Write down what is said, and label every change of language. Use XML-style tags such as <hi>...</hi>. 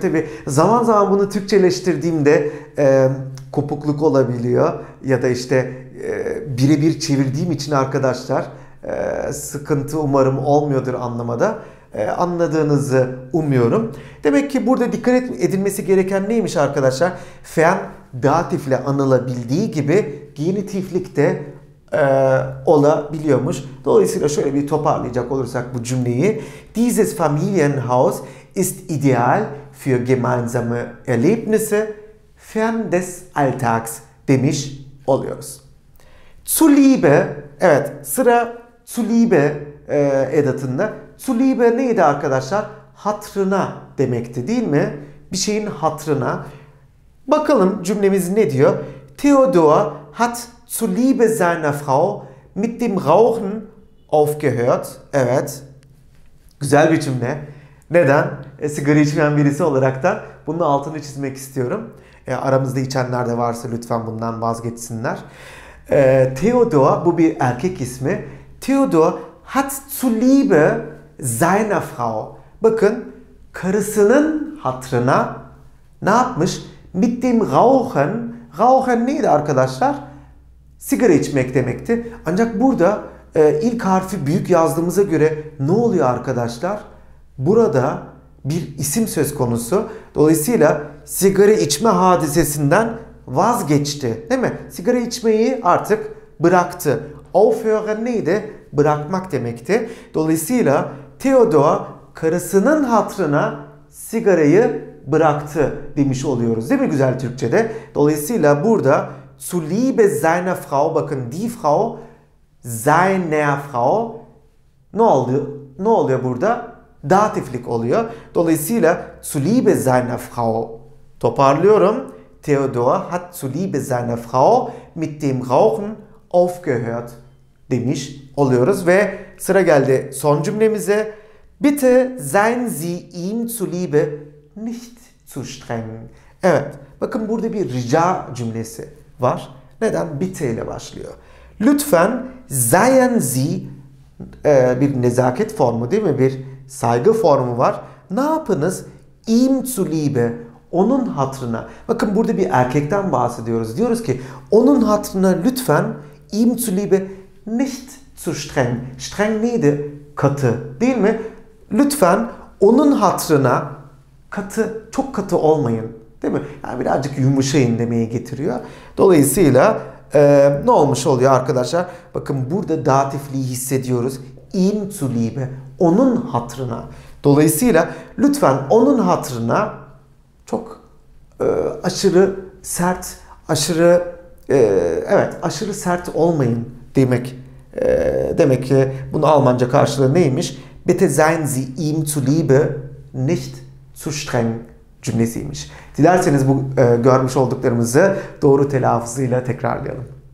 <tr>Tabii zaman zaman bunu Türkçeleştirdiğimde kopukluk olabiliyor ya da işte birebir çevirdiğim için arkadaşlar sıkıntı umarım olmuyordur anlamada. Anladığınızı umuyorum. Demek ki burada dikkat edilmesi gereken neymiş arkadaşlar? Fen datifle anılabildiği gibi genitiflik de olabiliyormuş. Dolayısıyla şöyle bir toparlayacak olursak bu cümleyi.</tr> <de>Dieses Familienhaus ist ideal für gemeinsame Erlebnisse fern des Alltags</de> <tr>demiş oluyoruz. Zur Liebe, evet sıra Zur Liebe edatında. Zur Liebe neydi arkadaşlar? Hatrına demekti değil mi? Bir şeyin hatrına. Bakalım cümlemiz ne diyor?</tr> <de>Theodor hat zur Liebe seiner Frau mit dem Rauchen aufgehört.</de> <tr>Evet. Güzel bir cümle. Neden? Sigara içmeyen birisi olarak da bunun altını çizmek istiyorum. Aramızda içenler de varsa lütfen bundan vazgeçsinler. Theodor, bu bir erkek ismi.</tr> <de>Theodor hat zur Liebe seiner Frau.</de> <tr>Bakın, karısının hatırına ne yapmış?</tr> <de>Mit dem Rauchen. Rauchen</de> <tr>neydi arkadaşlar? Sigara içmek demekti. Ancak burada ilk harfi büyük yazdığımıza göre ne oluyor arkadaşlar? Burada bir isim söz konusu. Dolayısıyla sigara içme hadisesinden vazgeçti, değil mi? Sigara içmeyi artık bıraktı. Aufhören neydi? Bırakmak demekti. Dolayısıyla Theodor karısının hatırına sigarayı bıraktı demiş oluyoruz, değil mi güzel Türkçe'de?</tr> <de>Dolayısıyla burada Zur Liebe seiner Frau,</de> <tr>bakın</tr> <de>die Frau seiner Frau</de> <tr>ne oluyor? Ne oluyor burada? Datiflik oluyor. Dolayısıyla</tr> <de>Zur Liebe seiner Frau,</de> <tr>toparlıyorum.</tr> <de>Theodor hat Zur Liebe seiner Frau mit dem Rauchen aufgehört</de> <tr>demiş oluyoruz ve sıra geldi son cümlemize.</tr> <de>Bitte seien Sie ihm zuliebe nicht zu streng.</de> <tr>Evet, bakın burada bir rica cümlesi var. Neden? Bitte ile başlıyor. Lütfen</tr> <de>seien Sie</de> <tr>bir nezaket formu değil mi? Bir saygı formu var. Ne yapınız?</tr> <de>İm zu liebe.</de> <tr>onun hatırına, bakın burada bir erkekten bahsediyoruz. Diyoruz ki onun hatırına lütfen</tr> <de>ihm zuliebe nicht zu streng.</de> <tr>Streng neydi? Katı, değil mi? Lütfen onun hatırına katı, çok katı olmayın. Değil mi? Yani birazcık yumuşayın demeye getiriyor. Dolayısıyla ne olmuş oluyor arkadaşlar? Bakın burada datifliği hissediyoruz.</tr> <de>İm zu liebe,</de> <tr>onun hatırına. Dolayısıyla lütfen onun hatırına çok aşırı sert, aşırı evet aşırı sert olmayın demek. Demek ki bunun Almanca karşılığı neymiş?</tr> <de>Bitte seien Sie ihm zuliebe nicht zu streng</de> <tr>cümlesiymiş. Dilerseniz bu görmüş olduklarımızı doğru telaffuzuyla tekrarlayalım.</tr>